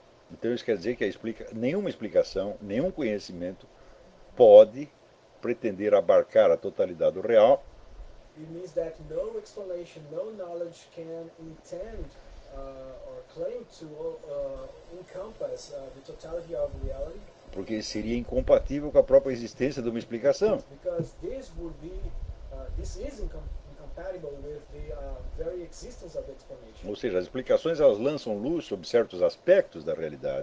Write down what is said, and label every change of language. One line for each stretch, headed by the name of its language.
Portuguese: Então isso quer dizer que nenenhuma explicação, nenhum conhecimento pode pretender abarcar a totalidade do real.
English: It means that no explanation, no knowledge can intend or claim to encompass the totality of reality.
Portuguese: Porque seria incompatível com a própria existência de uma explicação.
English: Because this would be this is incompatible with the very existence of explanation.
Portuguese: Ou seja, as explicações elas lançam luz sobre certos aspectos da realidade.